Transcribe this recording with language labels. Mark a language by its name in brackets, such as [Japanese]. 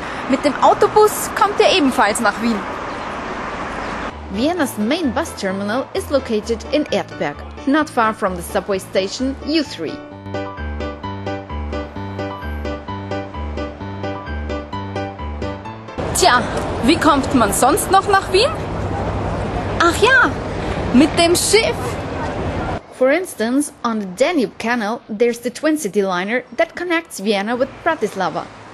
[German] Mit dem Autobus kommt ihr ebenfalls nach Wien. [English] Vienna's main bus terminal is located in Erdberg, not far from the subway station U3. [German] Tja, wie kommt man sonst noch nach Wien? Ach ja, mit dem Schiff! [English] For instance, on the Danube Canal, there's the Twin City Liner that connects Vienna with Bratislava.